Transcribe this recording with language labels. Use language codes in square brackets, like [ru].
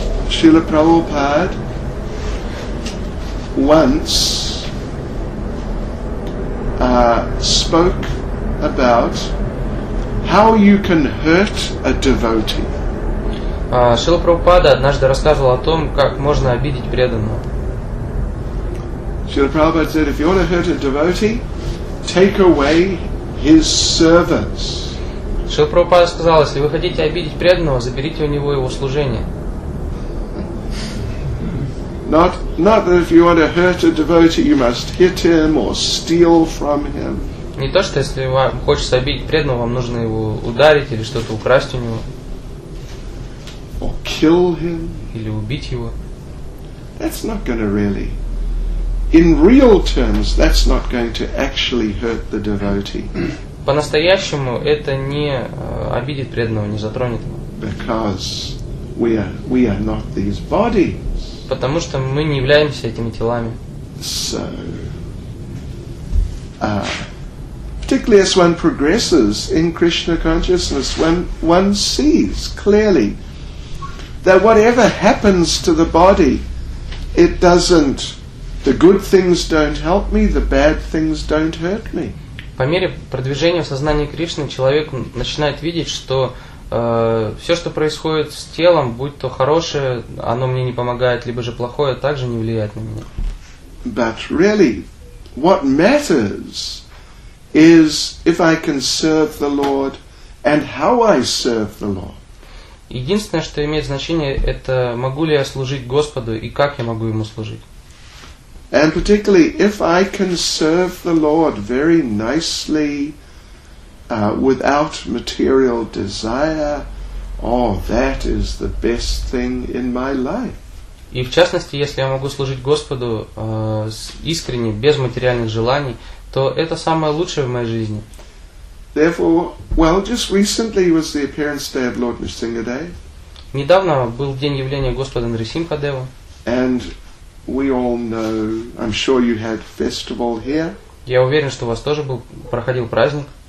[en] Srila Prabhupada once spoke about how you can hurt a devotee. [ru] Шрила Прабхупада однажды рассказывал о том, как можно обидеть преданного. [en] Шрила Прабхупада said, if you want to hurt a devotee, take away his servants. [ru] Шрила Прабхупада сказал, если вы хотите обидеть преданного, заберите у него его служение. [en] Not that if you want to hurt a devotee, you must hit him or steal from him. [ru] Не то, что если вам хочется обидеть преданного, вам нужно его ударить или что-то украсть у него. [en] Or kill him. [ru] Или убить его. [en] That's not going to really. In real terms, that's not going to actually hurt the devotee. [ru] По-настоящему это не обидит преданного, не затронет его. [en] Because we are not these bodies. [ru] Потому что мы не являемся этими телами. [en] So, particularly as one progresses in Krishna consciousness, one sees clearly. That whatever happens to the body, it doesn't. The good things don't help me, the bad things don't hurt me. [ru] По мере продвижения в сознании Кришны человек начинает видеть, что все, что происходит с телом, будь то хорошее, оно мне не помогает, либо же плохое, также не влияет на меня. [en] But really, what matters is if I can serve the Lord and how I serve the Lord. [ru] Единственное, что имеет значение, это могу ли я служить Господу и как я могу Ему служить. [en] And particularly, if I can serve the Lord very nicely, without material desire, oh, that is the best thing in my life. [ru] И в частности, если я могу служить Господу искренне, без материальных желаний, то это самое лучшее в моей жизни. [en] Therefore, well, just recently was the appearance day of Lord Nrisimha Dev. [ru] Недавно был день явления Господа Нрисимхадева. [en] And we all know, I'm sure you had festival here. [ru] Я уверен, что у вас тоже проходил праздник.